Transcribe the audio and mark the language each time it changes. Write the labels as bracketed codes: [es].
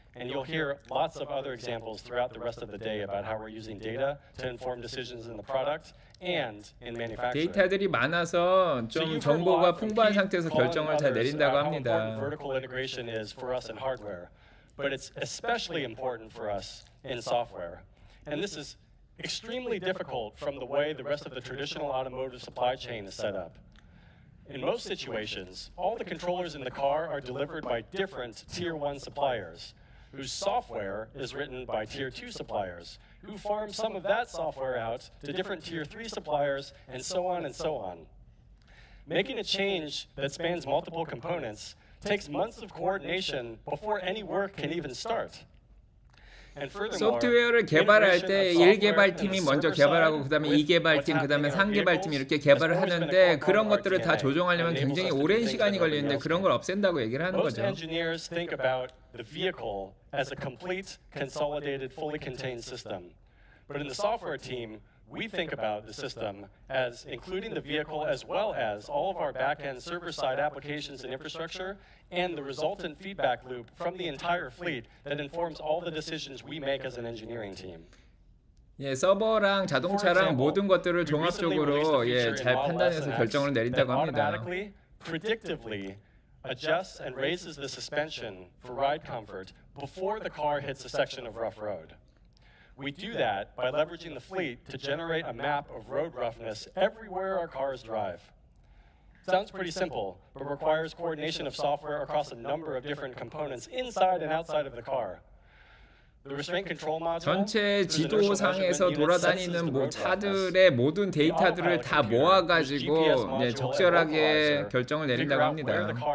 [en] And you'll hear lots of other examples throughout the rest of the day about how we're using data to inform decisions in the product and in manufacturing. [ko] 데이터들이 많아서 좀 정보가 풍부한 상태에서 결정을 잘 내린다고 합니다. [en] Vertical integration is for us in hardware, but it's especially important for us in software. And this is extremely difficult from the way the rest of the traditional automotive supply chain is set up. In most situations, all the controllers in the car are delivered by different tier one suppliers. Whose software is written by tier 2 suppliers, who farm some of that software out to different tier 3 suppliers, and so on and so on. Making a change that spans multiple components takes months of coordination before any work can even start. And furthermore, [ko] 소프트웨어를 개발할 때 1 개발팀이 먼저 개발하고 그다음에 2 개발팀 그다음에 3 개발팀 이렇게 개발을 하는데 그런 것들을 다 조정하려면 굉장히 오랜 시간이 걸리는데 그런 걸 없앤다고 얘기를 하는 거죠. [en] Engineers think about the vehicle as a complete consolidated fully contained system. But in the software team, we think about the system as including the vehicle as well as all of our back-end server-side applications and infrastructure and the resultant feedback loop from the entire fleet that informs all the decisions we make as an engineering team. [ko] 예, 서버랑 자동차랑 example, 모든 것들을 종합적으로 예, 잘 판단해서 결정을 내린다고 합니다. [en] Predictively adjusts and raises the suspension for ride comfort before the car hits a section of rough road. We do that by leveraging the fleet to generate a map of road roughness everywhere our cars drive. Sounds pretty simple, but requires coordination of software across a number of different components inside and outside of the car. The restraint control module, [ko] 전체 지도상에서 돌아다니는 뭐 차들의 모든 데이터들을 다 모아가지고 네, 적절하게 결정을 내린다고 합니다.